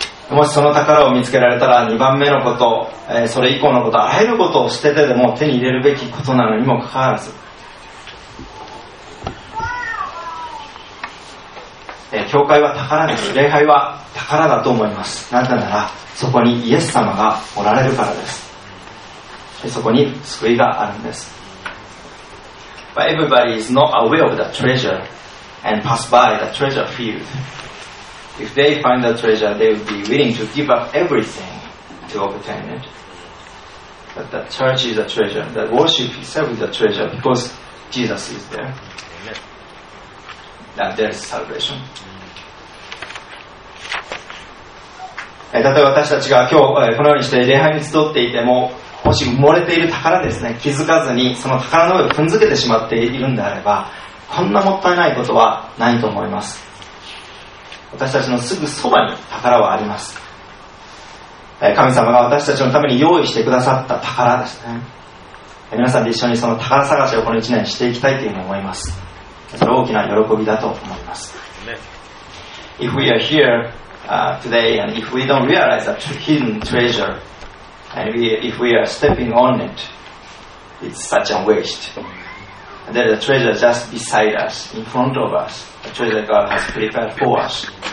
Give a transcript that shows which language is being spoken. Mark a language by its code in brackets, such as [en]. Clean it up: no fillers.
[ja] もしその宝を見つけられたら、2番目のこと、それ以降のこと、あらゆることを捨ててでも手に入れるべきことなのにもかかわらず、教会は宝です。礼拝は宝だと思います。なぜならそこにイエス様がおられるからです。そこに救いがあるんです。 [en] But everybody is not aware of the treasure and pass by the treasure field. If they find the treasure, they would be willing to give up everything to obtain it. But the church is a treasure. The worship itself is a treasure because Jesus is there. Amen. And there is salvation. [ja] 例えば私たちが今日このようにして礼拝に集っていても、もし埋もれている宝ですね、気づかずにその宝の上を踏んづけてしまっているんであれば、こんなもったいないことはないと思います。私たちのすぐそばに宝はあります。神様が私たちのために用意してくださった宝ですね。皆さんで一緒にその宝探しをこの1年していきたいというふうに思います。それは大きな喜びだと思います。 [en] If we are here today and if we don't realize a hidden treasureAnd if we are stepping on it, it's such a waste. And there's a treasure just beside us, in front of us, a treasure God has prepared for us.